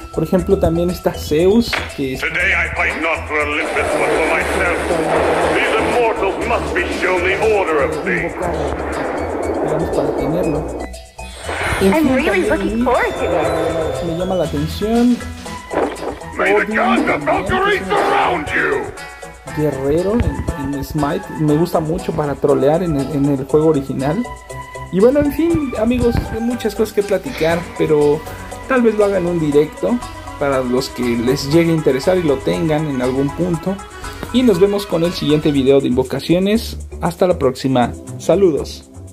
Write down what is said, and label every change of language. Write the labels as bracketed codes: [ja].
[es] Por ejemplo, también está Zeus, que es... [en] Today I fight not for Olympus, but for myself. These immortals must be shown the order of things. [es] Esperamos para tenerlo. [en] I'm really looking forward to it. [es] Me llama la atención. [en] May the gods of Valkyrie surround you. [es] Guerrero en Smite, me gusta mucho para trolear en el juego original. Y bueno, en fin, amigos, hay muchas cosas que platicar, pero tal vez lo hagan en un directo para los que les llegue a interesar y lo tengan en algún punto. Y nos vemos con el siguiente video de invocaciones. Hasta la próxima. Saludos.